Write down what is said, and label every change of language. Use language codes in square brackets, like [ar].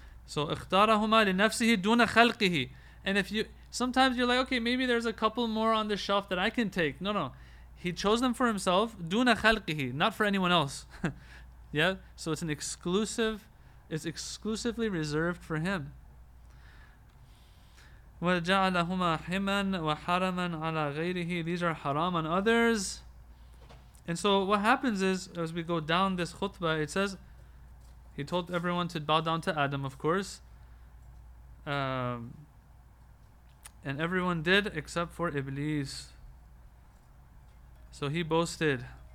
[ar] So اختارهما لنفسه دون خلقه. [en] And if you, sometimes you're like, okay, maybe there's a couple more on the shelf that I can take. No. He chose them for himself, [ar] دون خلقه, [en] not for anyone else. Yeah? So it's an exclusive, it's exclusively reserved for him. [ar] وجعلهما حما وحرما على غيره. [en] These are haram on others. And so what happens is, as we go down this khutbah, it says, he told everyone to bow down to Adam, of course. And everyone did except for Iblis. So he boasted.